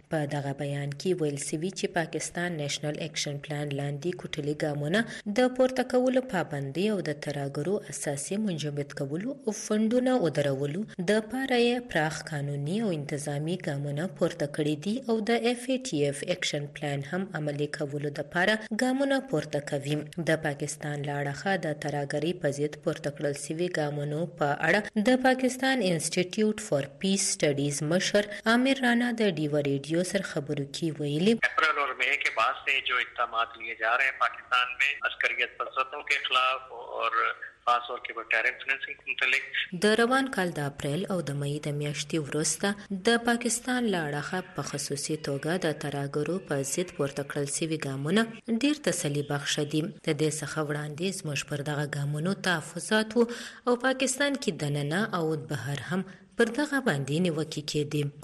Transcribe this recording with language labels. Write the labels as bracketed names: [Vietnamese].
[Pashto] دغه بیان کې ویل سوي چې پاکستان نېشنل اکشن پلان لاندې کوټلي ګامونه د پورته کولو پابندي او د تراګرو اساسي منجمد کولو او فندونه ودرولو د پاره یې پراخ قانوني او انتظامی ګامونه پورته کړی دي او د اف ای ټی اف اکشن پلان هم عملي کولو د پاره ګامونه پورته کوي. د پاکستان لاړخه د تراګری په ضد پورته کړل سوي ګامونو په اړه د پاکستان انسټیټیوټ فار پیس سټډیز مشر عامر رانا د ډیوري جو سر خبر کی ویلی [Urdu] اپریل اور مئی کے بعد سے جو اقدامات لیے جا رہے ہیں پاکستان میں عسکریت پسندوں کے خلاف اور [Pashto] د روان کال د اپریل او د مئی د میاشتې وروسته د پاکستان لاړخه په خصوصي توګه د تراګرو په ضد پورته کړل سوي ګامونه ډیر تسلی بخښه دي. د دې څخه وړاندې زموږ پر دغه ګامونو تحفظات وو او پاکستان کې دننه او بهر هم پر دغه باندې نیوکې کېدې.